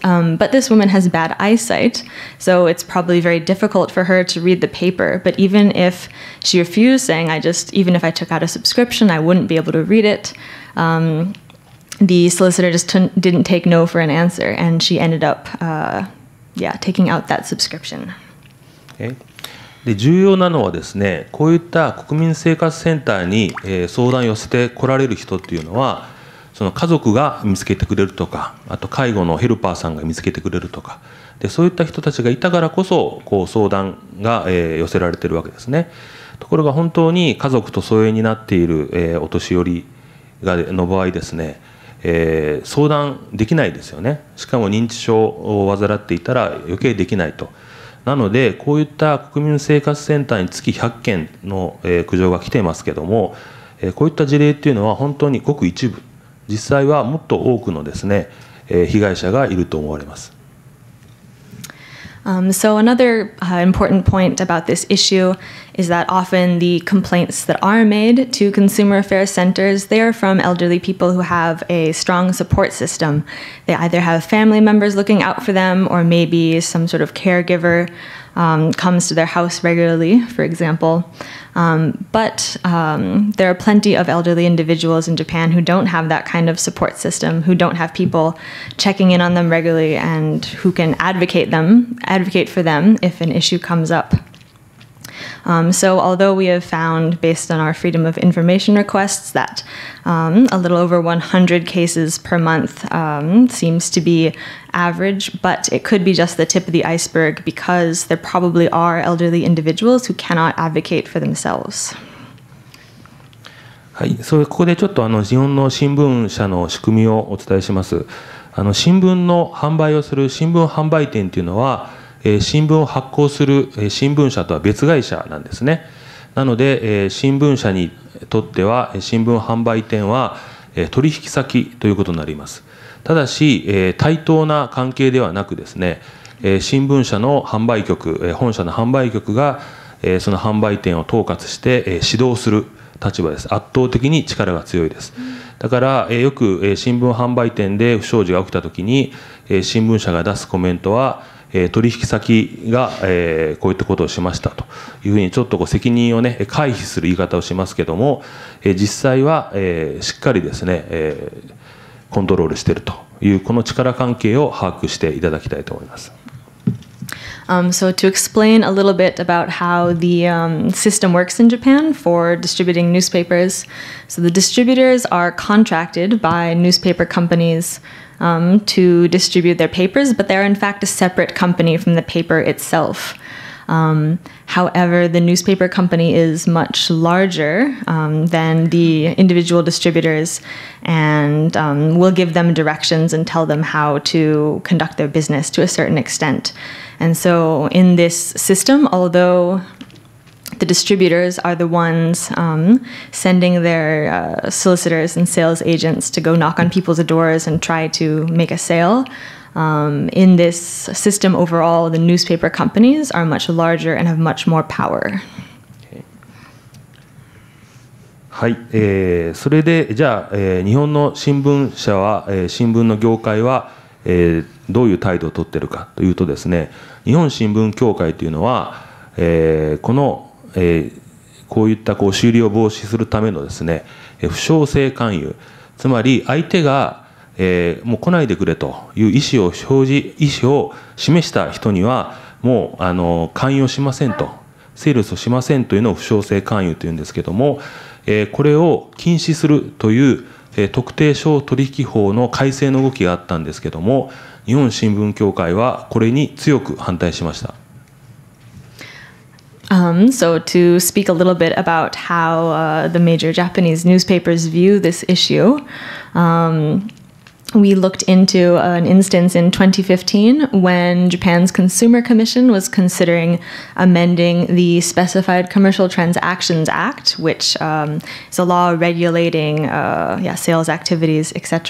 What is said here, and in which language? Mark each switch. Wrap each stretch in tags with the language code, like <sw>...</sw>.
<en>But this woman has bad eyesight, so it's probably very difficult for her to read the paper. But even if she refused, saying, even if I took out a subscription, I wouldn't be able to read it, the solicitor just didn't take no for an answer, and she ended up taking out that subscription. Okay.</en> <ja>で重要なのはですね、こういった国民生活センターに、相談を寄せて来られる人っていうのは、その家族が見つけてくれるとか、あと介護のヘルパーさんが見つけてくれるとか、でそういった人たちがいたからこそこう相談が、寄せられているわけですね。ところが本当に家族と疎遠になっている、お年寄りがの場合ですね、相談できないですよね。しかも認知症を患っていたら余計できないと。なのでこういった国民生活センターに月100件の苦情が来ていますけども、こういった事例というのは本当にごく一部、実際はもっと多くのですね、被害者がいると思われます。</ja> <en>So another important point about this issue is that often the complaints that are made to consumer affairs centers, they are from elderly people who have a strong support system. They either have family members looking out for them, or maybe some sort of caregiver comes to their house regularly, for example. But there are plenty of elderly individuals in Japan who don't have that kind of support system, who don't have people checking in on them regularly, and who can advocate for them if an issue comes up. So although we have found, based on our freedom of information requests, that a little over 100 cases per month seems to be average, but it could be just the tip of the iceberg, because there probably are elderly individuals who cannot advocate for themselves.</en> <ja>はい、それここでちょっと日本の新聞社の仕組みをお伝えします。新聞の販売をする新聞販売店というのは、新聞を発行する新聞社とは別会社なんですね。なので新聞社にとっては新聞販売店は取引先ということになります。ただし対等な関係ではなくですね、新聞社の販売局、本社の販売局がその販売店を統括して指導する立場です。圧倒的に力が強いです。だからよく新聞販売店で不祥事が起きたときに新聞社が出すコメントは、取引先がこういったことをしましたというふうに、ちょっとこう責任をね、回避する言い方をしますけども、実際はしっかりですね、コントロールしているという、この力関係を把握していただきたいと思います。</ja> <en>So to explain a little bit about how the system works in Japan for distributing newspapers. So the distributors are contracted by newspaper companies to distribute their papers, but they're in fact a separate company from the paper itself. However, the newspaper company is much larger than the individual distributors, and will give them directions and tell them how to conduct their business to a certain extent. And so in this system, although the distributors are the ones sending their solicitors and sales agents to go knock on people's doors and try to make a sale, in this system overall, the newspaper companies are much larger and have much more power.</en> <ja>はい、それでじゃあ、日本の新聞社は、新聞の業界は、どういう態度を取ってるかというとですね、日本新聞協会というのは、この、こういったこう修理を防止するためのですね、不祥性勧誘、つまり相手がもう来ないでくれという意思を示した人にはもう勧誘しませんと、セールスをしませんというのを不祥性勧誘というんですけども、これを禁止するという特定商取引法の改正の動きがあったんですけども、日本新聞協会はこれに強く反対しました。</ja> <en>So to speak a little bit about how the major Japanese newspapers view this issue, we looked into an instance in 2015 when Japan's Consumer Commission was considering amending the Specified Commercial Transactions Act, which is a law regulating sales activities, etc.</en>